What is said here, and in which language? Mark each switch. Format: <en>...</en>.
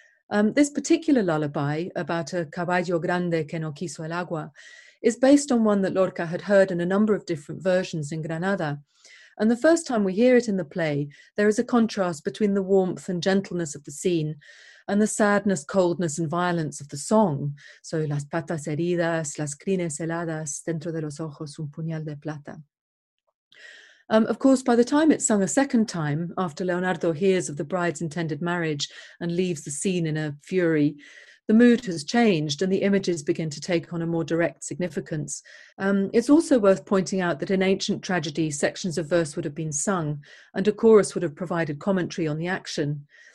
<en>This particular lullaby about a</en> <es>caballo grande que no quiso el agua</es> <en>is based on one that Lorca had heard in a number of different versions in Granada. And the first time we hear it in the play, there is a contrast between the warmth and gentleness of the scene and the sadness, coldness, and violence of the song.</en> <es>So, las patas heridas, las crines heladas, dentro de los ojos un puñal de plata.</es> <en>Of course, by the time it's sung a second time, after Leonardo hears of the bride's intended marriage and leaves the scene in a fury, the mood has changed and the images begin to take on a more direct significance. It's also worth pointing out that in ancient tragedy, sections of verse would have been sung and a chorus would have provided commentary on the action.</en>